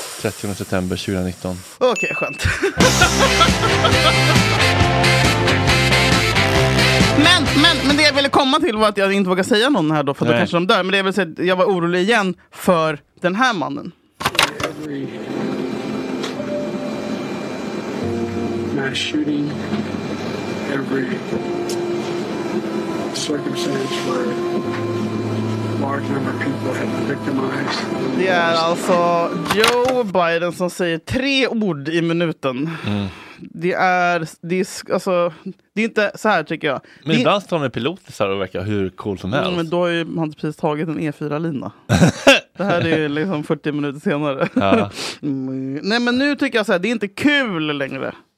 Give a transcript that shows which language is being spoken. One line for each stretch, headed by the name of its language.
Swedish: 30 september 2019. Okej, okay, skönt. Men det jag ville komma till var att jag inte vågar säga någon här då, för då kanske de dör. Men det jag vill säga, jag var orolig igen för den här mannen.
English: Mass shooting, every circumstance where large number of people have been victimized.
Swedish: Det är alltså Joe Biden som säger tre ord i minuten. Det är inte så här, tycker jag. Men ibland står han med pilotisar och verkar hur cool som helst. Men då har ju han precis tagit en E4-lina. Det här är ju liksom 40 minuter senare. Nej, men nu tycker jag så här, det är inte kul längre.